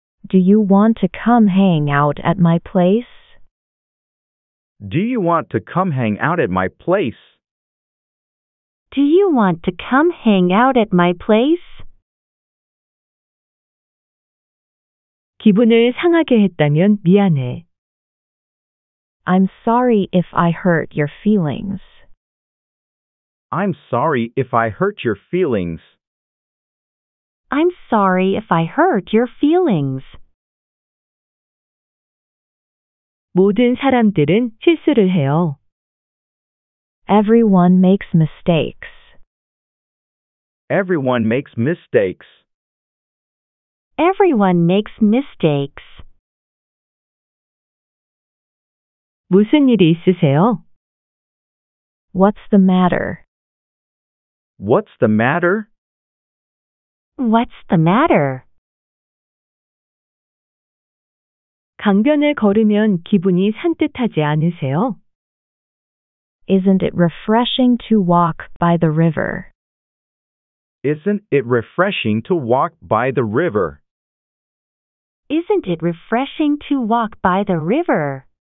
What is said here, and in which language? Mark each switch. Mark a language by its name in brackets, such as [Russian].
[English] Do you want to come hang out at my place? Do you want to come hang out at my place? Do you want to come hang out at my place? [Korean] 기분을 상하게 했다면 미안해. [English] I'm sorry if I hurt your feelings. I'm sorry if I hurt your feelings. I'm sorry if I hurt your feelings. [Korean] 모든 사람들은 실수를 해요. [English] Everyone makes mistakes. Everyone makes mistakes. Everyone makes mistakes. [Korean] 무슨 일이 있으세요? [English] What's the matter? What's the matter? What's the matter? [Korean] 강변을 걸으면 기분이 산뜻하지 않으세요? [English] Isn't it refreshing to walk by the river? Isn't it refreshing to walk by the river? Isn't it refreshing to walk by the river?